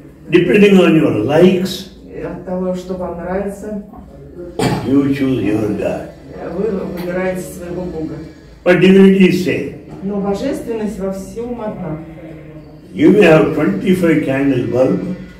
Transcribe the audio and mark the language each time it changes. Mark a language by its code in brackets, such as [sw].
[en] depending on your likes, [ru] от того, что вам нравится, [en] you choose your God. [ru] Вы выбираете своего Бога. [en] But divinity is same. [ru] Но божественность во всем одна. [en] You may have 25 candle bulb.